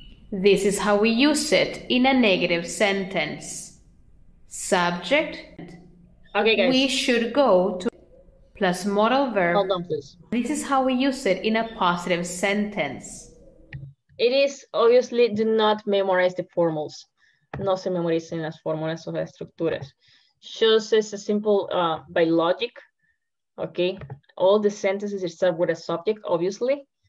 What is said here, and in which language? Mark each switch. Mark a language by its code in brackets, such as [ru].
[en] This is how we use it in a negative sentence. Subject. Okay, guys. We should go to plus modal verb. Hold on, please. This is how we use it in a positive sentence. It is obviously do not memorize the formulas. [es] No se memoricen las fórmulas o las estructuras. [en] Just as a simple by logic. Okay. All the sentences start with a subject, obviously.